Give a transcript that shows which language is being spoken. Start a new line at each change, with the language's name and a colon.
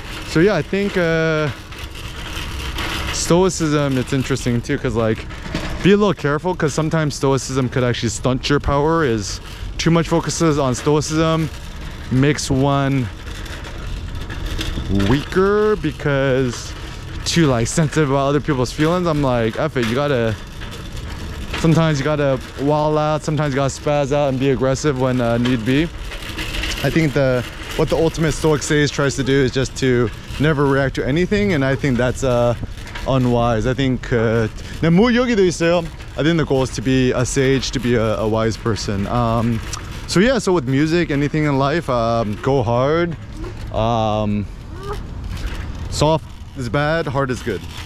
English: So yeah, I think stoicism, it's interesting too, because like, be a little careful, because sometimes stoicism could actually stunt your power, is too much focuses on stoicism makes one weaker, because too like sensitive about other people's feelings. I'm like, F it, sometimes you gotta wall out, sometimes you gotta spaz out and be aggressive when need be. I think what the ultimate Stoic sage tries to do is just to never react to anything, and I think that's unwise. I think
Korean: 네, 물 여기도 있어요.
English: I think the goal is to be a sage, to be a wise person. So yeah, so with music, anything in life, go hard, soft is bad, hard is good.